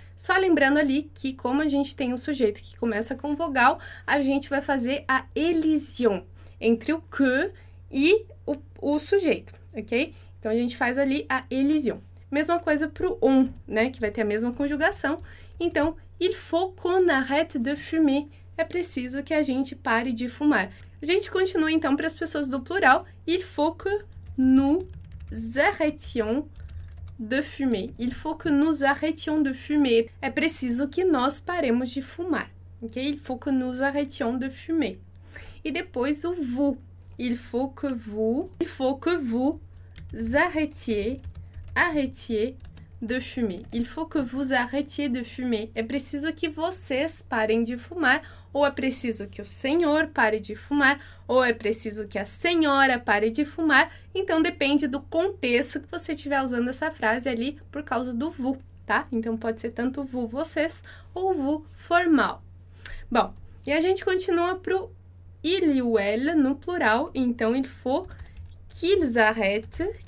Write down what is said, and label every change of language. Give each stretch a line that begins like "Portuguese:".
Portuguese: Só lembrando ali que como a gente tem um sujeito que começa com vogal, a gente vai fazer a elision entre o que e o sujeito, ok? Então a gente faz ali a elision. Mesma coisa para o on, né? Que vai ter a mesma conjugação. Então,
French: il faut qu'on arrête de fumer.
Portuguese: É preciso que a gente pare de fumar. A gente continua então para as pessoas do plural.
French: Il faut que nous arrêtions de fumer. Il faut que nous arrêtions de fumer.
Portuguese: É preciso que nós paremos de fumar. Ok?
French: Il faut que nous arrêtions de fumer.
Portuguese: E depois o vous.
French: Il faut que vous arrêtiez de fumer. Il faut que vous arrêtiez de fumer.
Portuguese: É preciso que vocês parem de fumar, ou é preciso que o senhor pare de fumar, ou é preciso que a senhora pare de fumar. Então depende do contexto que você estiver usando essa frase ali por causa do vous, tá? Então pode ser tanto vous vocês ou vous formal. Bom, e a gente continua pro il ou elle no plural. Então
French: il faut qu'ils arrêtent.